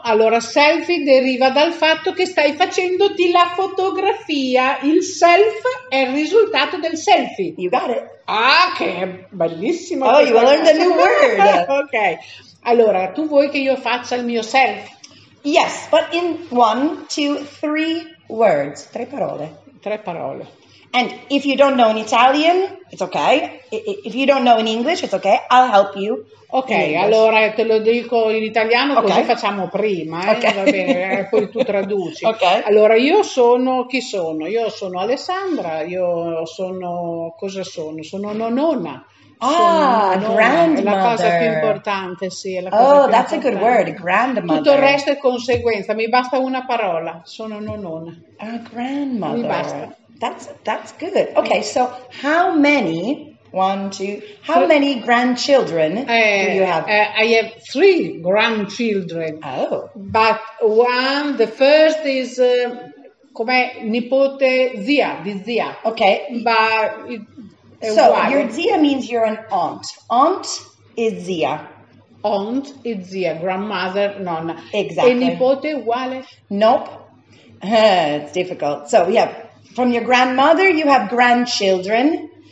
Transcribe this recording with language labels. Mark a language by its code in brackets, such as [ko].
[it] Allora, selfie deriva dal fatto che stai facendoti la fotografia. Il self è il risultato del selfie. [en] You got it. [it] Ah, che bellissima [en] Oh, you [it] questa cosa. [en] learned a new word. Ok. [it] Allora, tu vuoi che io faccia il mio selfie? [en] Yes, but in one, two, three words, [it] tre parole. Tre parole. [en] And if you don't know in Italian, it's okay. If you don't know in English, it's okay. I'll help you. [it] Ok, allora te lo dico in italiano, okay. Così facciamo prima, okay. Va bene, poi tu traduci. [en] Okay. [it] Allora, io sono, chi sono? Io sono Alessandra, io sono, cosa sono? Sono nonna. [en] Ah, grandmother. [it] È la cosa più importante, sì. È la cosa più importante. [en] A good word, grandmother. [it] Tutto il resto è conseguenza, mi basta una parola, sono nonna. [en] Ah, grandmother. [it] Mi basta. [en] That's good. Ok, so how many... One, two. How many grandchildren do you have? I have 3 grandchildren. Oh. But one, the first is, [it] come nipote, zia, di zia. [en] Okay. But [it] so, uguale. [en] Your zia means you're an aunt. Aunt is zia. Aunt is zia, grandmother, nonna. Exactly. [it] E nipote uguale? [en] Nope. It's difficult. So, yeah, from your grandmother, you have grandchildren.